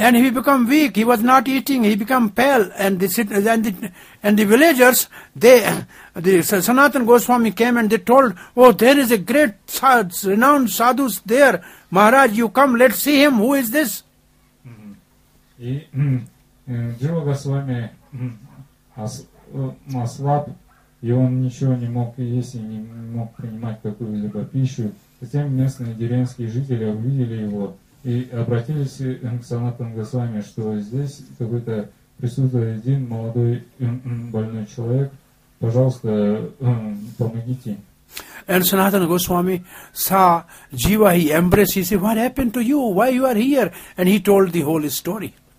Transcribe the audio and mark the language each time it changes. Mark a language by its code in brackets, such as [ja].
[en] And he became weak, he was not eating, he became pale, and the villagers, the Sanatana Goswami came and they told, oh, there is a great renowned sadhu there. Maharaj, you come, let's see him. Who is this? [ru] И Джива Госвами ослаб, и он ничего не мог есть и не мог принимать какую-либо пищу. Затем местные деревенские жители увидели его и обратились к Санатану Госвами, что здесь какой-то присутствует один молодой больной человек. [en] And Sanatana Goswami saw Jiva, he embraced, he said, what happened to you? Why you are here? And he told the whole story.